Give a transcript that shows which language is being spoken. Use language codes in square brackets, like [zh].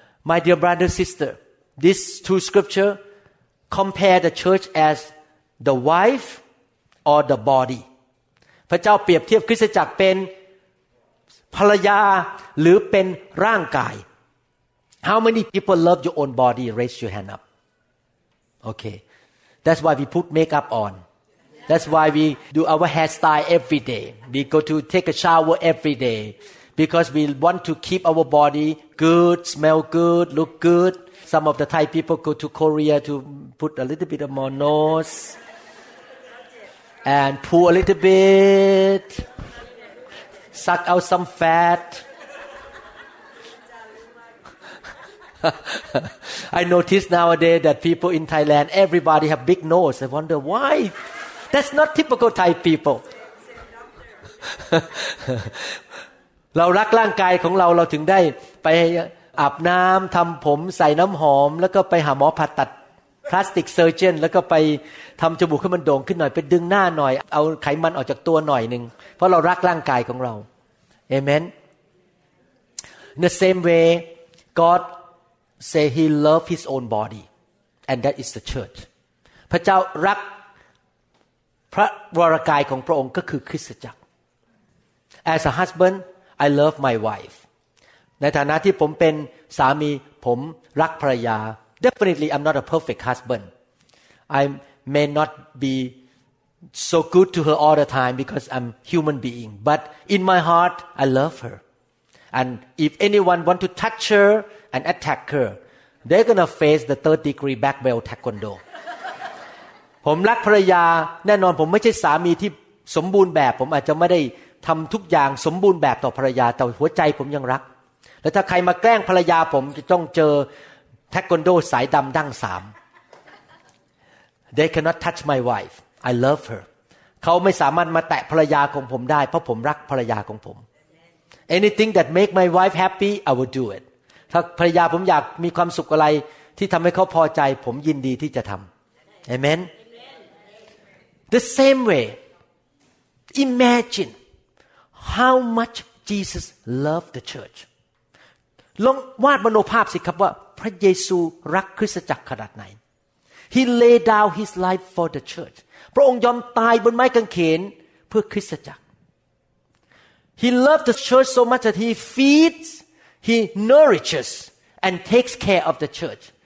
[en] My dear brother sister these two scripture compare the church as the wife or the body [th] พระเจ้าเปรียบเทียบคริสตจักรเป็นภรรยาหรือเป็นร่างกาย [en] How many people love your own body? Raise your hand up. Okay. That's why we put makeup on. That's why we do our hairstyle every day. We go to take a shower every day. Because we want to keep our body good, smell good, look good. Some of the Thai people go to Korea to put a little bit of more nose. And pull a little bit. Suck out some fat. I notice nowadays that people in Thailand, everybody have big nose. I wonder why. That's not typical Thai people. [th] เราลักร่างกายของเราเราถึงได้ไปอาบน้ำทำผมใส่น้ำหอมแล้วก็ไปหาหมอผ่าตัด plastic surgeon แล้วก็ไปทำจมูกให้มันโด่งขึ้นหน่อยไปดึงหน้าหน่อยเอาไขมันออกจากตัวหน่อยนึงเพราะเรารักร่างกายของเรา Amen. [en] In the same way, GodSay he loves his own body, and that is the church. [th] พระเจ้ารักพระวรกายของพระองค์ก็คือคริสตจักร [en] As a husband, I love my wife. [th] ในฐานะที่ผมเป็นสามีผมรักภรรยา [en] Definitely, I'm not a perfect husband. I may not be so good to her all the time because I'm human being. But in my heart, I love her. And if anyone want to touch her,An attacker, they're gonna face the third degree black belt taekwondo. [th] ผมรักภรรยาแน่นอนผมไม่ใช่สามีที่สมบูรณ์แบบผมอาจจะไม่ได้ทำทุกอย่างสมบูรณ์แบบต่อภรรยาแต่หัวใจผมยังรักและถ้าใครมาแกล้งภรรยาผมจะต้องเจอ taekwondo สายดำดั้งสาม [en] They cannot touch my wife. I love her. [th] เขาไม่สามารถมาแตะภรรยาของผมได้เพราะผมรักภรรยาของผม [en] Anything that make my wife happy, I will do it. [th] ถ้าภรรยาผมอยากมีความสุขอะไรที่ทำให้เขาพอใจผมยินดีที่จะทำ Amen. [en] Amen. The same way, imagine how much Jesus loved the church. [th] ลองวาดมโนภาพสิครับว่าพระเยซูรักคริสตจักรขนาดไหน [en] He laid down his life for the church. [th] พระองค์ยอมตายบนไม้กางเขนเพื่อคริสตจักร [en] He loved the church so much that he feedsHe nourishes and takes care of the church.